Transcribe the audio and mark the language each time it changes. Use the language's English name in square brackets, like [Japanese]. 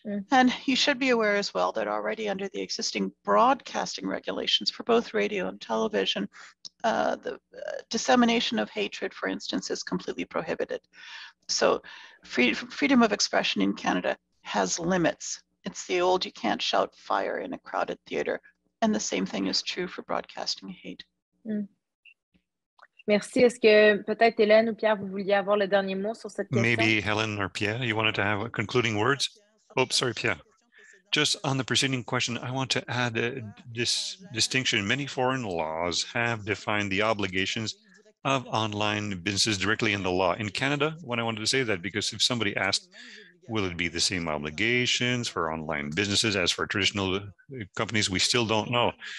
[English] And you should be aware as well that already under the existing broadcasting regulations for both radio and television, dissemination of hatred, for instance, is completely prohibited. So freedom of expression in Canada has limits. It's the old, you can't shout fire in a crowded theater. And the same thing is true for broadcasting hate. [French] Merci. Est-ce que peut-être Hélène ou Pierre, vous vouliez avoir le dernier mot sur cette question? [English] Maybe Hélène or Pierre, you wanted to have concluding words? Oh, sorry, Pierre. Just on the preceding question, I want to add this distinction. Many foreign laws have defined the obligations of online businesses directly in the law. In Canada, when I wanted to say that, because if somebody asked, will it be the same obligations for online businesses as for traditional companies, we still don't know.